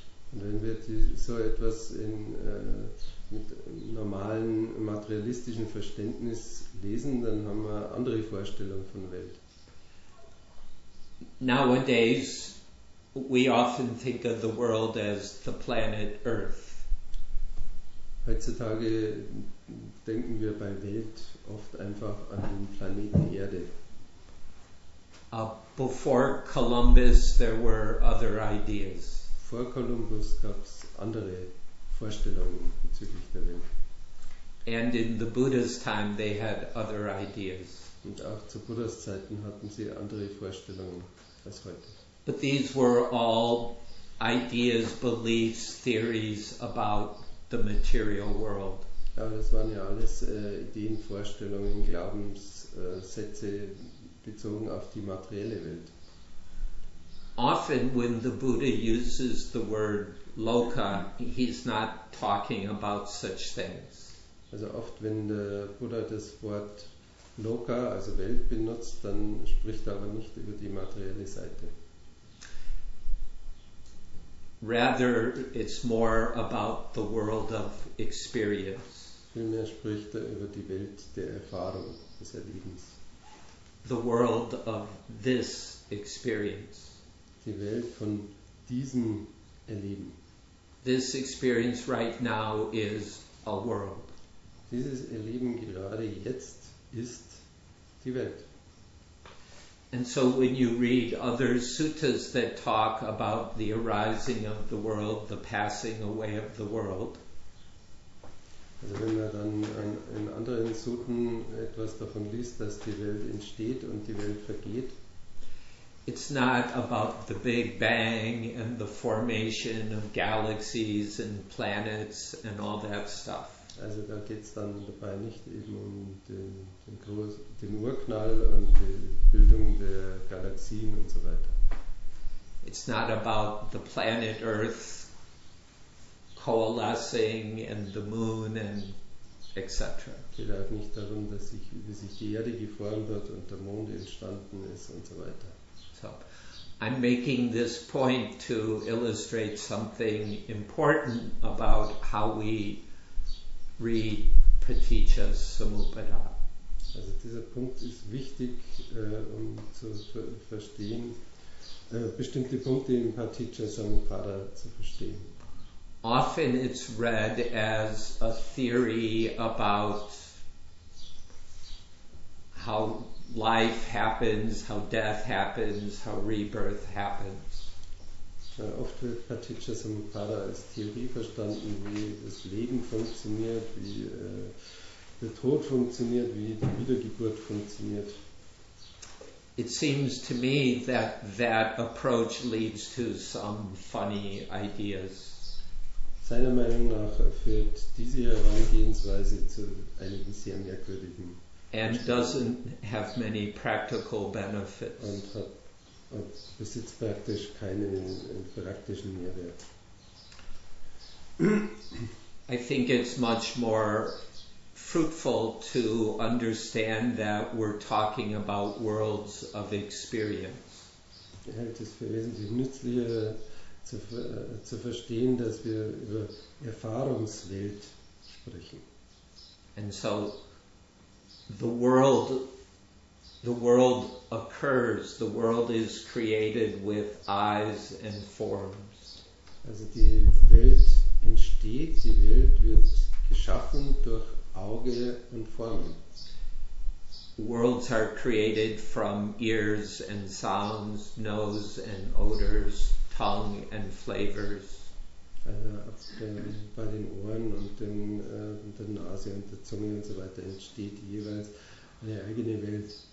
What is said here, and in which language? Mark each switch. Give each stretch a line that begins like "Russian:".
German: Und wenn wir so etwas in, mit normalen materialistischen Verständnis lesen, dann haben wir andere Vorstellungen von Welt.
English: Nowadays, we often think of the world as the planet Earth.
German: Heutzutage denken wir bei Welt oft einfach an den Planeten Erde.
English: Before Columbus, there were other ideas.
German: Vor Kolumbus gab es andere Vorstellungen bezüglich der Welt.
English: And in the Buddha's time they had other ideas.
German: Und auch zu Buddhas Zeiten hatten sie andere Vorstellungen als heute.
English: But these were all ideas, beliefs, theories about the material world.
German: Aber das waren ja alles Ideen, Vorstellungen, Glaubenssätze bezogen auf die materielle Welt.
English: Often when the Buddha uses the word loka, he's not talking about such things.
German: Also oft wenn der Buddha das Wort loka, also Welt benutzt, dann spricht er aber nicht über die materielle Seite.
English: Rather, it's more about the world of experience.
German: Vielmehr spricht er über die Welt der Erfahrung, des Erlebens.
English: The world of this experience.
German: Die Welt von diesem Erleben.
English: This experience right now is a world.
German: Dieses Erleben gerade jetzt ist die Welt.
English: And so when you read other suttas that talk about the arising of the world, the passing away of the world,
German: also wenn man dann in anderen Sutten etwas davon liest, dass die Welt entsteht und die Welt vergeht,
English: it's not about the Big Bang and the formation of galaxies and planets and all that stuff.
German: Also da geht es dann dabei nicht eben um den Urknall und die Bildung der Galaxien und so weiter.
English: It's not about the planet Earth coalescing and the moon and etc.
German: Es geht auch nicht darum, dass wie sich die Erde geformt hat und der Mond entstanden ist und so weiter.
English: So, I'm making this point to illustrate something important about how we read Paticca Samuppada.
German: Also dieser Punkt ist wichtig, um zu verstehen, bestimmte Punkte im Paticca Samuppada zu verstehen.
English: Often it's read as a theory about how life happens, how death happens, how rebirth happens.
German: Oft wird Paticca Samuppada als Theorie verstanden, wie das Leben funktioniert, wie der Tod funktioniert, wie die Wiedergeburt funktioniert.
English: It seems to me that that approach leads to some funny ideas.
German: Seiner Meinung nach führt diese Herangehensweise zu einigen sehr merkwürdigen
English: and doesn't have many practical benefits.
German: Und besitzt praktisch keinen praktischen Mehrwert.
English: I think it's much more fruitful to understand that we're talking about worlds of experience.
German: Ich halte es für wesentlich nützlicher zu verstehen, dass wir über Erfahrungswelt sprechen.
English: And so the world occurs, the world is created with eyes and forms.
German: Also die Welt entsteht, die Welt wird geschaffen durch Auge und Formen.
English: Worlds are created from ears and sounds, nose and odors, tongue and flavors.
German: Also bei den Ohren und der Nase und der Zunge und so weiter entsteht jeweils eine eigene Welt.